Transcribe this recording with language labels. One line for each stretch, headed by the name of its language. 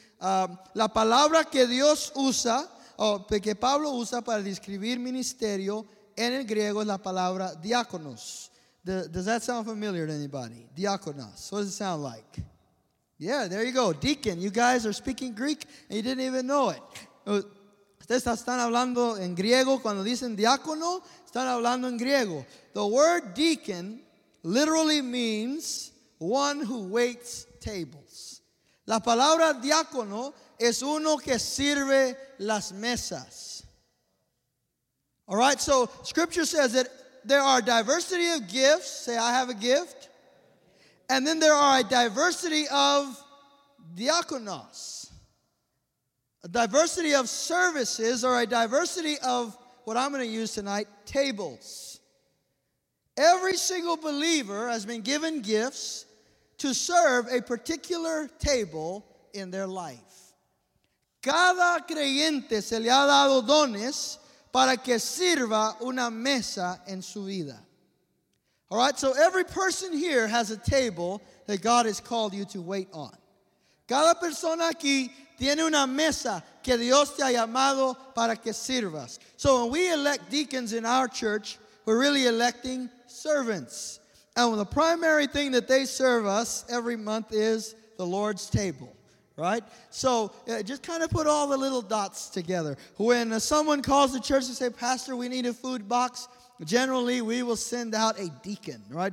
Spanish: La palabra que Dios usa, que Pablo usa para describir ministerio en el griego es la palabra diáconos.
English: Does that sound familiar to anybody? Diáconos. What does it sound like? Yeah, there you go. Deacon, you guys are speaking Greek and you didn't even know it.
Spanish: Ustedes están hablando en griego cuando dicen diácono, están hablando en griego.
English: The word deacon literally means one who waits tables.
Spanish: La palabra diácono es uno que sirve las mesas.
English: All right, so scripture says that there are diversity of gifts. Say, I have a gift. And then there are a diversity of diakonos, a diversity of services, or a diversity of what I'm going to use tonight, tables. Every single believer has been given gifts to serve a particular table in their life.
Spanish: Cada creyente se le ha dado dones para que sirva una mesa en su vida.
English: All right, so every person here has a table that God has called you to wait on.
Spanish: Cada persona aquí tiene una mesa que Dios te ha llamado para que sirvas.
English: So when we elect deacons in our church, we're really electing servants. And the primary thing that they serve us every month is the Lord's table. Right? So just kind of put all the little dots together. When someone calls the church and say, Pastor, we need a food box, generally we will send out a deacon, right?